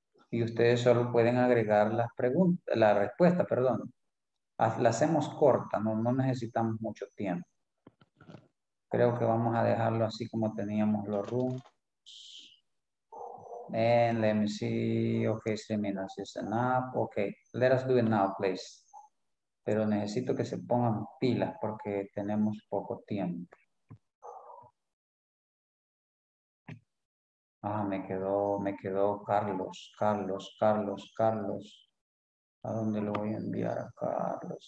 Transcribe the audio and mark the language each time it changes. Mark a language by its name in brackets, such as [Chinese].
[Spanish] Y ustedes solo pueden agregar las preguntas, la respuesta, perdón. La hacemos corta, no necesitamos mucho tiempo. Creo que vamos a dejarlo así como teníamos los rooms. [English] And let me see, okay, 3 minutes is enough. Okay, let us do it now, please. [Spanish] Pero necesito que se pongan pilas porque tenemos poco tiempo. Ah, me quedó Carlos. ¿A dónde lo voy a enviar a Carlos?